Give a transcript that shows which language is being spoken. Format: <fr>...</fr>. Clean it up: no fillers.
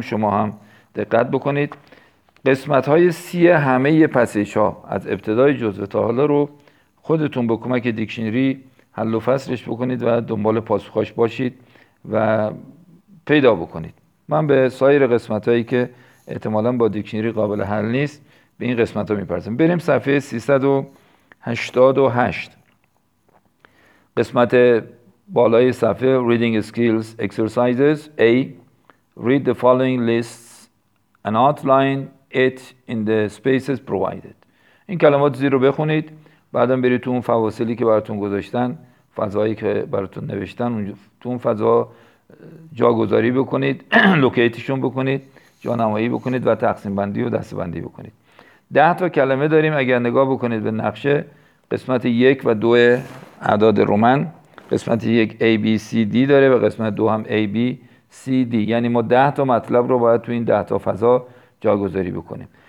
<fa>شما هم دقت بکنید، قسمت های سی همه پسیج ها از ابتدای جزء تا حالا رو خودتون به کمک دیکشنری حل و فصلش بکنید و دنبال پاسخاش باشید و پیدا بکنید. من به سایر قسمت هایی که احتمالاً با دیکشنری قابل حل نیست به این قسمت ها میپرسیم. بریم صفحه 388، قسمت بالای صفحه،</fa> <en>Reading Skills Exercises A. Read the following lists and outline it in the spaces provided.</en> <fa>این کلمات زیر رو بخونید، بعدم برید تو اون فواصلی که براتون گذاشتن، فضایی که براتون نوشتن، تو اون فضا جا گذاری بکنید، لوکیتشون بکنید، جا نمایی بکنید و تقسیم بندی و دست بندی بکنید. 10 تا کلمه داریم. اگر نگاه بکنید به نقشه، قسمت 1 و 2 اعداد رومن، قسمت 1 A B C D داره و قسمت 2 هم A B C D، یعنی ما 10 تا مطلب رو باید تو این 10 تا فضا جاگذاری بکنیم.</fa>